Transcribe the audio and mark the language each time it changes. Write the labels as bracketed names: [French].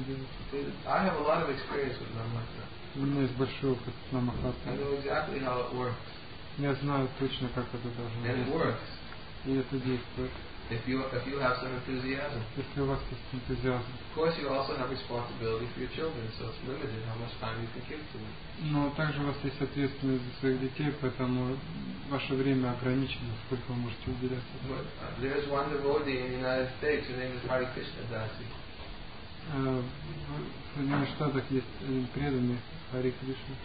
[Russian] делать. [English] I have a lot of experience with Namahata. [Russian] У меня есть большой опыт с Намахатой. [English] I know exactly how it works. [Russian] Я знаю точно, как это должно быть. [English] And it works. [Russian] И это действует. [English] If you have some enthusiasm. [Russian] Если у вас есть энтузиазм. [English] Of course, you also have responsibility for your children, so it's limited how much time you can give to them. [Russian] Но также у вас есть ответственность за своих детей, поэтому ваше время ограничено, сколько вы можете уделять. [English] There is one devotee in the United States, his name is Hare Krishna Dasi. [Russian] в Соединенных Штатах есть один преданный Хари Кришна.